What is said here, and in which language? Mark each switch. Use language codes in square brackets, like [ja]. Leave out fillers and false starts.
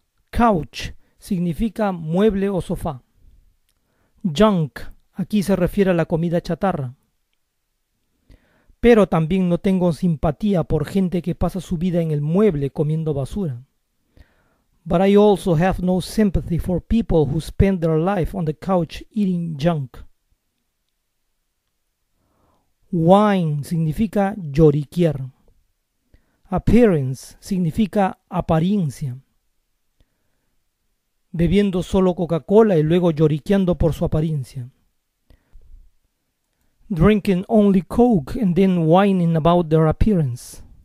[es] Couch significa mueble o sofá. Junk aquí se refiere a la comida chatarra. Pero también no tengo simpatía por gente que pasa su vida en el mueble comiendo basura. [en] But I also have no sympathy for people who spend their life on the couch eating junk. [es] Wine significa lloriquear. Appearance significa apariencia. Bebiendo solo Coca-Cola y luego lloriqueando por su apariencia. [en] Drinking only Coke and then whining about their appearance.